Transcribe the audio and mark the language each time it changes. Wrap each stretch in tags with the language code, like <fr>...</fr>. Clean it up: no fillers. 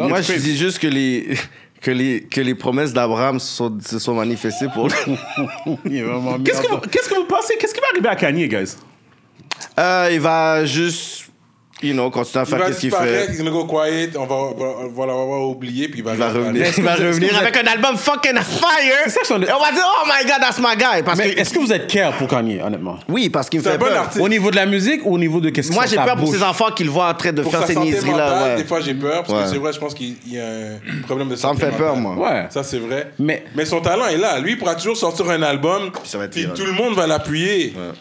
<fr>Moi, je dis juste que les promesses d'Abraham se sont manifestées pour. qu'est-ce que vous pensez? Qu'est-ce qui va arriver à Kanye, guys? Il va juste,</fr> <en>you know,</en> <fr>continuer à faire ce qu'il fait. Il va disparaître, il va</fr> <en>go quiet,</en> <fr>on va oublier, puis il va revenir. Il va revenir avec un album</fr> <en>fucking fire.</en> <fr>Et on va dire,</fr> <en>oh my god, that's my guy.</en> <fr>Est-ce que vous êtes care pour Kanye, honnêtement? Oui, parce qu'il me fait peur. C'est un bon artiste. Au niveau de la musique ou au niveau de qu'est-ce qu'il fait? Moi, j'ai peur pour ses enfants qu'il voit en train de faire ces niaiseries-là. Des fois, j'ai peur, parce que c'est vrai, je pense qu'il y a un problème de santé. Ça me fait peur, moi. Ça, c'est vrai. Mais son talent est là. Lui, il pourra toujours sortir un album, puis tout le monde va l'appuyer.</fr>